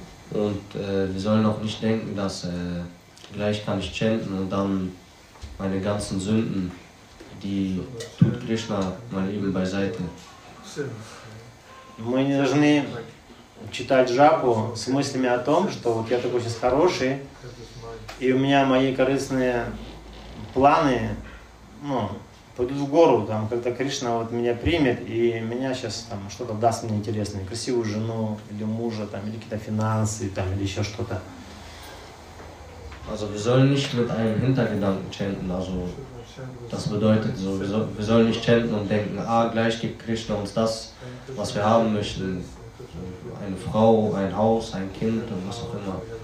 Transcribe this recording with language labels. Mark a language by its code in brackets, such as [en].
[de] Und wir sollen auch nicht denken, dass gleich kann ich chanten und dann meine ganzen Sünden, die tut Krishna mal eben beiseite. [ru] Мы не должны читать джапу с мыслями о том, что вот я такой сейчас хороший, и у меня мои корыстные планы, ну, пойдут в гору, там, когда Кришна вот меня примет, и меня сейчас там что-то даст мне интересное, красивую жену или мужа, там, или какие-то финансы, там, или еще что-то. [de] Also, wir sollen nicht mit einem Hintergedanken chanten, also, das bedeutet so, wir sollen nicht chanten und denken, ah, gleich gibt Krishna uns das, was wir haben möchten, eine Frau, ein Haus, ein Kind und was auch immer.